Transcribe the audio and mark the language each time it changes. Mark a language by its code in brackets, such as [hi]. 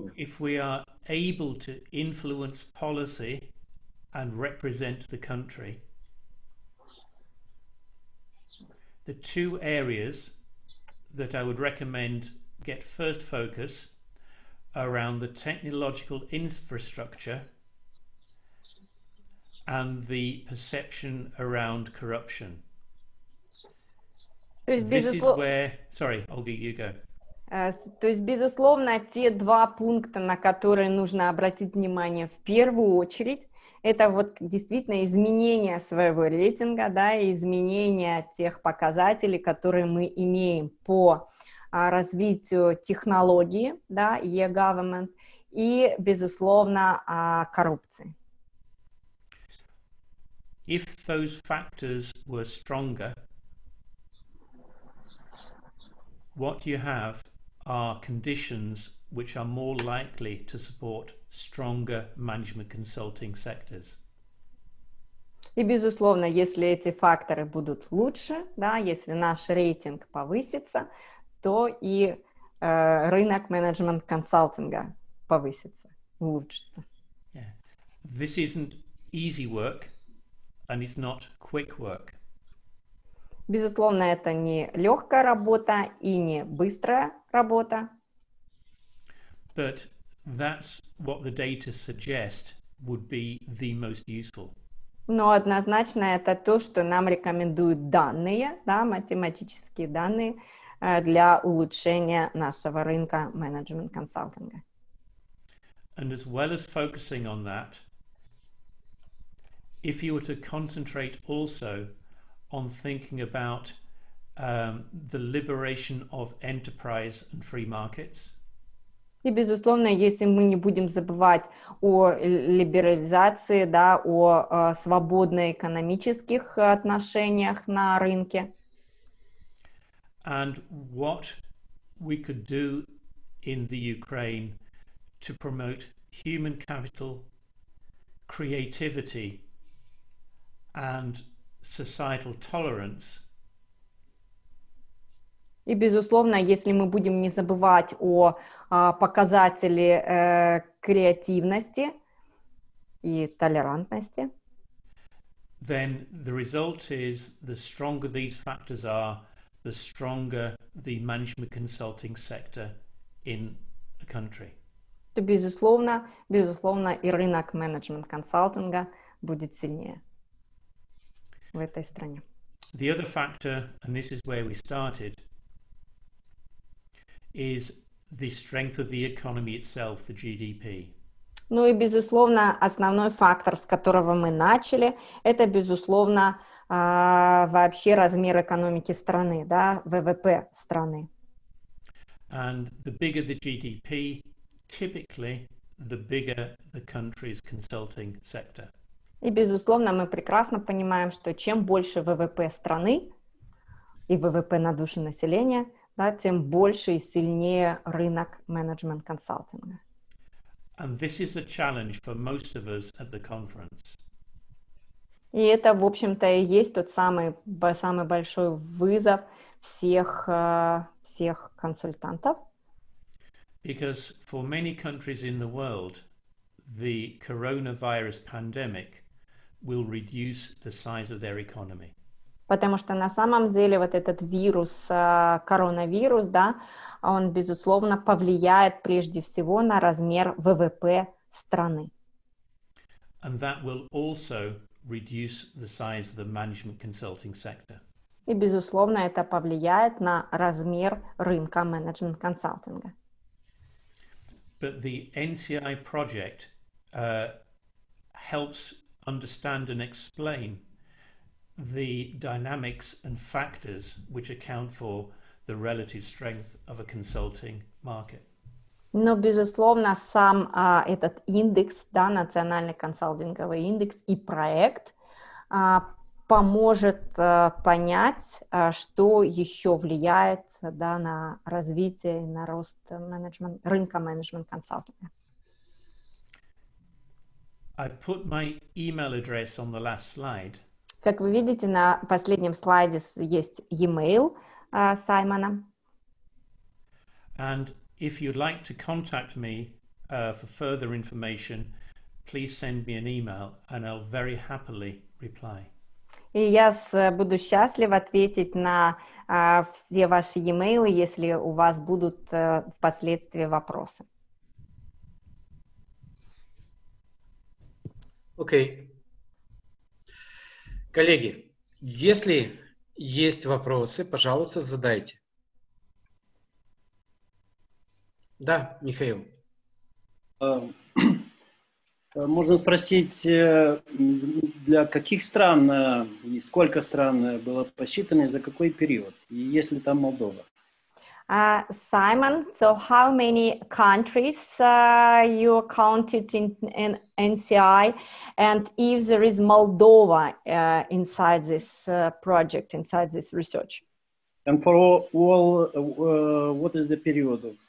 [en] If we are able to influence policy and represent the country, the two areas that I would recommend get first focus around the technological infrastructure and the perception around corruption. This is where... Sorry, Olga, you go. [ru] То есть, безусловно, те два пункта, на которые нужно обратить внимание в первую очередь, это вот действительно изменение своего рейтинга, да, и изменение тех показателей, которые мы имеем по развитию технологии, да, e-government, и, безусловно, коррупции. [en] If those factors were stronger, what you have are conditions which are more likely to support stronger management consulting sectors. [ru] И, безусловно, если эти факторы будут лучше, да, если наш рейтинг повысится, то и рынок менеджмент консалтинга повысится, улучшится. [en] Yeah. This isn't easy work, and it's not quick work. [ru] Безусловно, это не легкая работа и не быстрая работа. [en] But that's what the data suggest would be the most useful. [ru] Но однозначно это то, что нам рекомендуют данные, да, математические данные для улучшения нашего рынка менеджмент консалтинга. [en] And as well as focusing on that, if you were to concentrate also on thinking about the liberation of enterprise and free markets. [ru] И, безусловно, если мы не будем забывать о либерализации, да, о свободно-экономических отношениях на рынке. [en] And what we could do in the Ukraine to promote human capital, creativity and societal tolerance. [ru] И, безусловно, если мы будем не забывать о показателе креативности и толерантности, [en] then the result is the stronger these factors are, the stronger the management consulting sector in a country. [ru] То, безусловно, и рынок менеджмент консалтинга будет сильнее в этой стране. [en] The other factor, and this is where we started, is the strength of the economy itself, the GDP. [ru] Ну и, безусловно, основной фактор, с которого мы начали, это, безусловно, вообще размер экономики страны, да, ВВП страны. [en] And the bigger the GDP, typically, the bigger the country's consulting sector. [ru] И, безусловно, мы прекрасно понимаем, что чем больше ВВП страны и ВВП на душу населения, да, тем больше и сильнее рынок менеджмент консалтинга. [en] And this is a challenge for most of us at the conference. [ru] И это, в общем-то, и есть тот самый большой вызов всех консультантов. [en] Because for many countries in the world, the coronavirus pandemic will reduce the size of their economy. [ru] Потому что на самом деле вот этот вирус, коронавирус, да, он безусловно повлияет прежде всего на размер ВВП страны. [en] And that will also reduce the size of the management consulting sector. [ru] И безусловно это повлияет на размер рынка менеджмент консалтинга. [en] But the NCI project helps understand and explain the dynamics and factors which account for the relative strength of a consulting market. [ru] Но безусловно сам этот индекс, да, национальный консалтинговый индекс и проект поможет понять, что еще влияет, да, на развитие, на рост менеджмент рынка менеджмент консалтинга. [en] I've put my email address on the last slide. [ru] Как вы видите, на последнем слайде есть e-mail Саймона. [en] And if you'd like to contact me for further information, please send me an email and I'll very happily reply. [ru] И я буду счастлив ответить на все ваши e-mail, если у вас будут впоследствии вопросы. Окей. Коллеги, если есть вопросы, пожалуйста, задайте. Да, Михаил. Можно спросить, для каких стран и сколько стран было посчитано и за какой период? И есть ли там Молдова? [en] Simon, so how many countries you counted in NCI, and if there is Moldova inside this project, inside this research? And for all what is the period of?